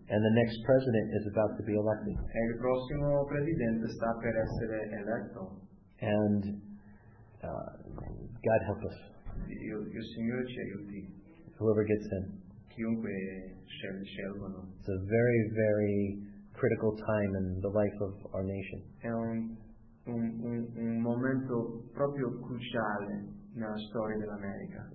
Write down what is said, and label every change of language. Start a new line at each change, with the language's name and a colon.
English: And the next president is about to be elected.
Italian: E il prossimo presidente sta per essere eletto.
English: And God help us.
Italian: Il Signore ci aiuti.
English: Whoever gets in.
Italian: Chiunque scelgono.
English: It's a very, very critical time in the life of our nation.
Italian: È un momento proprio cruciale nella storia dell'America.